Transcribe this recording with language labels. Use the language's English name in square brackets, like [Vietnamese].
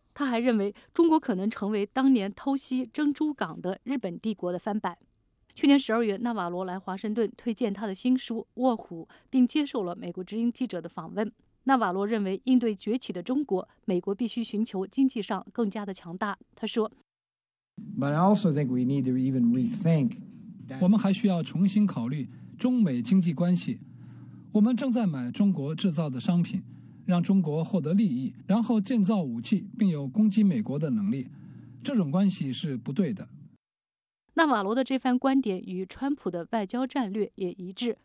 [Chinese] 他还认为，中国可能成为当年偷袭珍珠港的日本帝国的翻版。去年12月，纳瓦罗来华盛顿推荐他的新书《卧虎》，并接受了美国之音记者的访问。纳瓦罗认为，应对崛起的中国，美国必须寻求经济上更加的强大。他说 [English] ：“But I also think we need to even rethink. [Chinese] 我们还需要重新考虑中美经济关系。我们正在买中国制造的商品，让中国获得利益，然后建造武器，并有攻击美国的能力。这种关系是不对的。” 纳瓦罗的这番观点与川普的外交战略也一致。